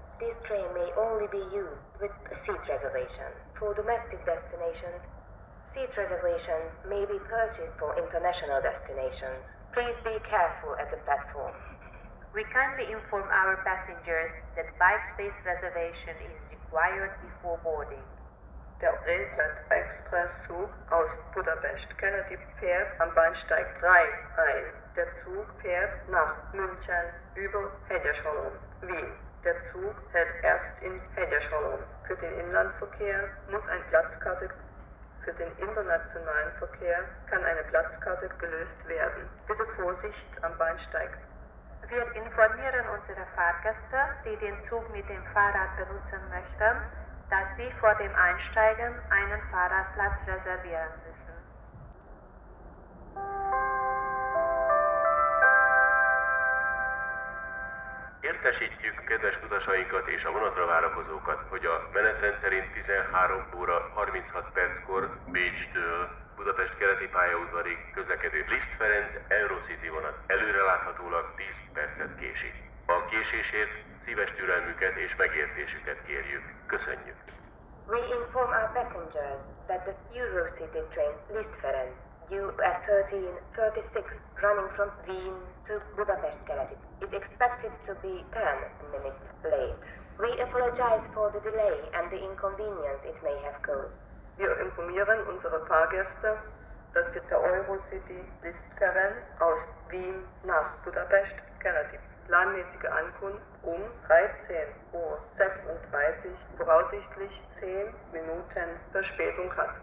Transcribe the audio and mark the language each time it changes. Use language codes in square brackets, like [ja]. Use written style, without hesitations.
[en] This train may only be used with seat reservation. For domestic destinations, seat reservations may be purchased for international destinations. Please be careful at the platform. We kindly inform our passengers that bike space reservation is required before boarding. [de] Der Railjet Express Zug aus Budapest Kennedy fährt am Bahnsteig 3 ein. Der Zug fährt nach München über Hegyeshalom, Wien. Der Zug hält erst in Hegyeshalom. Für den Inlandverkehr muss eine Platzkarte. Für den internationalen Verkehr kann eine Platzkarte gelöst werden. Bitte Vorsicht am Bahnsteig. Wir informieren unsere Fahrgäste, die den Zug mit dem Fahrrad benutzen möchten, dass sie vor dem Einsteigen einen Fahrradplatz reservieren müssen. [hu] Értesítjük kedves utasainkat és a vonatra várakozókat, hogy a menetrend szerint 13:36 Bécstől Budapest keleti pályaudvarig közlekedő Liszt Ferenc Eurocity vonat előreláthatólag 10 percet késik. A késésért szíves türelmüket és megértésüket kérjük. Köszönjük! [en] We inform our passengers that the Eurocity train Liszt Ferenc UF1336 running from Wien to Budapest keleti is expected to be 10 minutes late. We apologize for the delay and the inconvenience it may have caused. [de] Wir informieren unsere Fahrgäste, dass sie der Eurocity Listkarenz aus Wien nach Budapest relativ planmäßige Ankunft um 13.36 Uhr voraussichtlich 10 Minuten Verspätung hat.